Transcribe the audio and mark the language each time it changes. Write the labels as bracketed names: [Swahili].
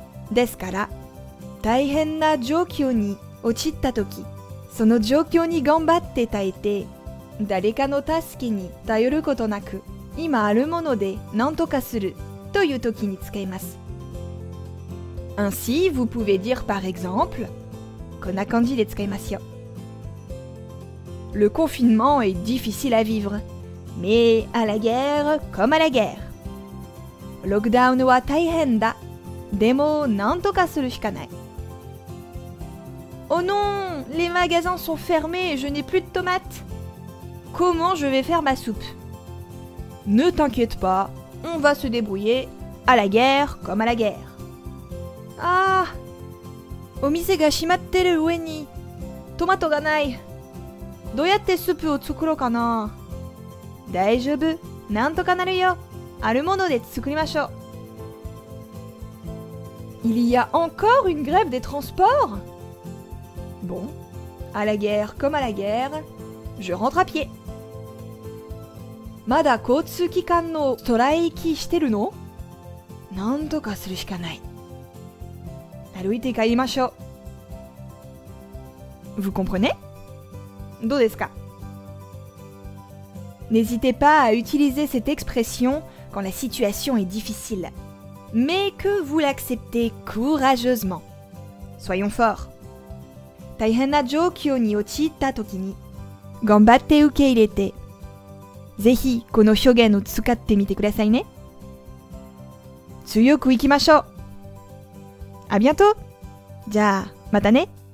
[Japanese] ですから、大変な状況に陥ったとき、その状況に頑張って耐えて、誰かの助けに頼ることなく、今あるもので何とかするというときに使います。 [French] Ainsi, vous pouvez dire par exemple, [Japanese] こんな感じで使いますよ。 [French] Le confinement est difficile à vivre. Mais à la guerre comme à la guerre. [Japanese] Lockdown は大変だ。でも、なんとかするしかない。 [French] Oh non, les magasins sont fermés et je n'ai plus de tomates. Comment je vais faire ma soupe? Ne t'inquiète pas, on va se débrouiller à la guerre comme à la guerre. [Japanese] Ah, お店が閉まってる上に、トマトがない。どうやってスープを作ろうかな? 大丈夫、なんとかなるよ。あるもので作りましょう。 [French] Il y a encore une grève des transports? Bon, à la guerre comme à la guerre, je rentre à pied. [Japanese] まだ交通機関のストライキしてるの? なんとかするしかない。歩いて帰りましょう。 [French] Vous comprenez? [Japanese] どうですか? [French] N'hésitez pas à utiliser cette expression quand la situation est difficile, mais que vous l'acceptez courageusement. Soyons forts. [Japanese] 大変な状況に陥ったときに、頑張って受け入れて。ぜひこの表現を使ってみてくださいね。強く行きましょう。 [French] À bientôt. [Japanese] じゃあ、またね。